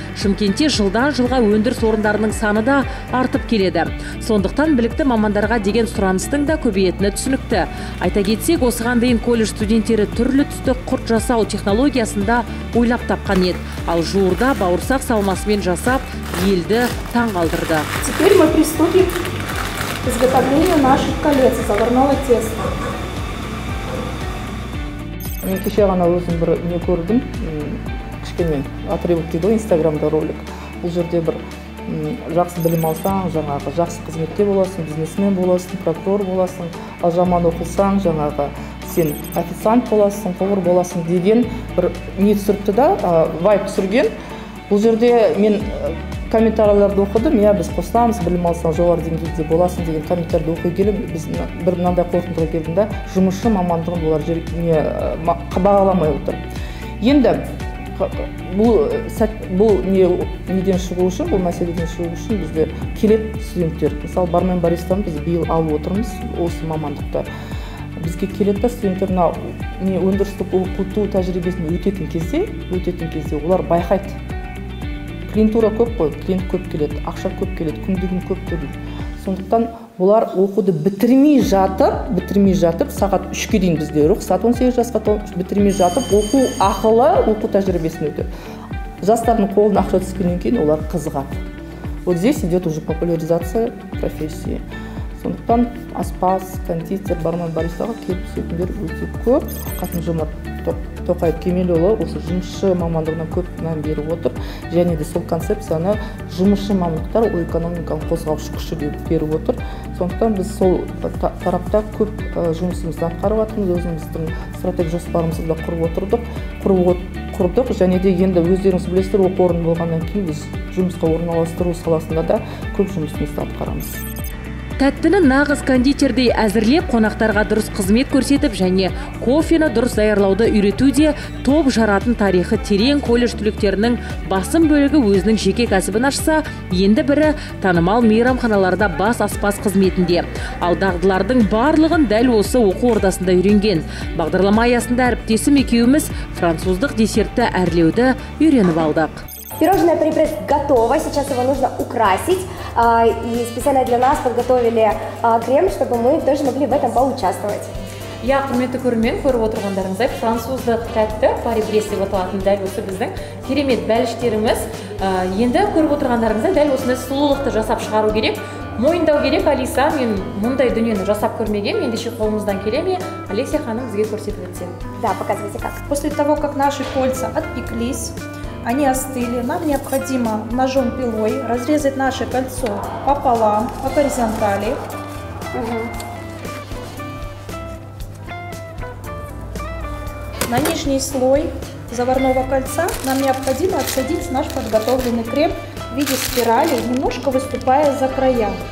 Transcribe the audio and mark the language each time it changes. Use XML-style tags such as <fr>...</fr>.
<kk>Шымкентте жылдан жылға өндіріс орындарының саны да артып келеді. Сондықтан білікті мамандарға деген сұраныстың да көбейетіні түсінікті. Айта кетсек, осыған дейін колледж студенттері түрлі түсті құрт жасау технологиясында ойлап тапқан еді. Ал жуырда бауырсақ салмасымен жасап, елді таң қалдырды.</kk> <ru>Теперь мы приступим к изготовлению наших колец из заварного теста.</ru> <kk>Мен кеше ғана өзім бір не көрдім, кішкене отрывок дейді ғой, инстаграмда ролик. Бұл жерде бір жақсы білім алсаң, жаңағы жақсы қызметте боласың, бизнесмен боласың, прокурор боласың, ал жаман оқылсаң, жаңағы сен официант боласың, повар боласың деген бір не түсіріпті да, вайп түсірген. Бұл жерде мен</kk> <ky>комментарийлерди окудум, я биз постанбыз, билим алсаң жогору деңгээлде боласың деген комментарийди окуй келип, биз бир мындай коркунучка келдим да, жумушум мамандыгым булар жер не кабаламай отур. Энди бул сат бул не неден чыгуу үчүн, бул маселеден чыгуу үчүн бизде келет студенттер. Мисалы, бармен баристан биз биыл алып отурмуз осы мамандыкта. Бизге келет да студенттер мына не өндүрүштүк окутуу тажрыйбесин өтөтүн кезде булар байкайт.</ky> <kk>Клиентура көп қой, клиент көп келеді, ақша көп келеді, күндігін көп төлейді. Сондықтан олар оқуды бітірмей жатып, сағат 3-ке дейін бізде рұқсат, 18 жасқа бітірмей жатып, оқу ақылы оқу тәжірибесін өтеді. Жастардың қолын ақша түскеннен кейін олар қызығады.</kk> <ru>Вот здесь идет уже популяризация профессии.</ru> <kk>Сондықтан аспаз, кондитер, бармен, баристаға келіп түсетіндер өте көп. Қасым Жомарт Тоқаев Кемелұлы осы жұмысшы мамандығына көп мән беріп отыр. Және де сол концепцияны жұмысшы мамандықтар ол экономикалық қозғаушы күші деп беріп отыр. Сондықтан біз сол тарапта көп жұмысымызды атқарып жатырмыз, өзіміздің стратегиялық жоспарымызды да құрып отырдық. Және де енді өздеріңіз білесіздер, оқу орны болғаннан кейін біз жұмысқа орналастыру саласында да көп жұмысымызды атқарамыз. Тәттіні нағыз кондитердей әзірлеп, қонақтарға дұрыс қызмет көрсетіп және кофені дұрыс даярлауды үйретуде топ жаратын тарихы терең колледж түлектерінің басым бөлігі өзінің жеке кәсібін ашса, енді бірі танымал мейрамханаларда бас аспаз қызметінде. Ал дағдылардың барлығын дәл осы оқу ордасында үйренген. Бағдарлама аясында әріптесім екеуміз француздық десертті әрлеуді үйреніп алдық.</kk> <ru>Пирожное Прибрест готово, сейчас его нужно украсить. И специально для нас подготовили крем, чтобы мы тоже могли в этом поучаствовать.</ru> <kk>Я, құрметті көрермен, көріп отырғандарыңызды, француздық тәтті Прибрест деп аталатын дәл осы біздің керемет бәліштеріміз. Енді көріп отырғандарыңызды, дәл осыны сұлулықты жасап шығару керек. Мойындау керек, Алиса, мен мұндай дүниені жасап көрмеген, ендеше қолымыздан келе ме, Алеся ханым бізге көрсетіп өтсе.</kk> <ru>Да, показывайте как. После того, как наши кольца отпеклись, они остыли, нам необходимо ножом-пилой разрезать наше кольцо пополам, по горизонтали. На нижний слой заварного кольца нам необходимо отсадить наш подготовленный крем в виде спирали, немножко выступая за края.</ru>